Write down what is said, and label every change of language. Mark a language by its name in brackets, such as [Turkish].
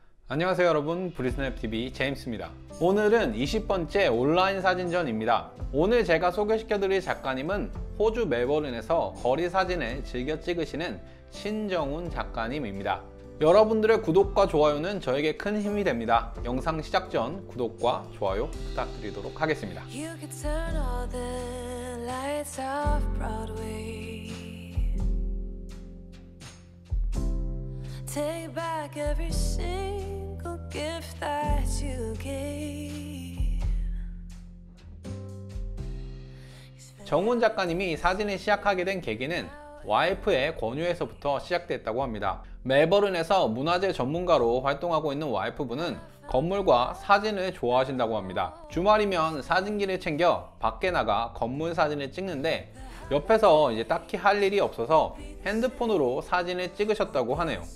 [Korean] 안녕하세요 여러분, 브리스냅TV 제임스입니다. 오늘은 20번째 온라인 사진전입니다. 오늘 제가 소개시켜 드릴 작가님은 호주 멜버른에서 거리 사진을 즐겨 찍으시는 신정훈 작가님입니다. 여러분들의 구독과 좋아요는 저에게 큰 힘이 됩니다. 영상 시작 전 구독과 좋아요 부탁드리도록 하겠습니다. [English] You could turn all the lights off Broadway. Take back every single gift that you gave. [Korean] 정훈 작가님이 사진을 시작하게 된 계기는 와이프의 권유에서부터 시작됐다고 합니다. 멜버른에서 문화재 전문가로 활동하고 있는 와이프분은 건물과 사진을 좋아하신다고 합니다. 주말이면 사진기를 챙겨 밖에 나가 건물 사진을 찍는데 옆에서 이제 딱히 할 일이 없어서 핸드폰으로 사진을 찍으셨다고 하네요.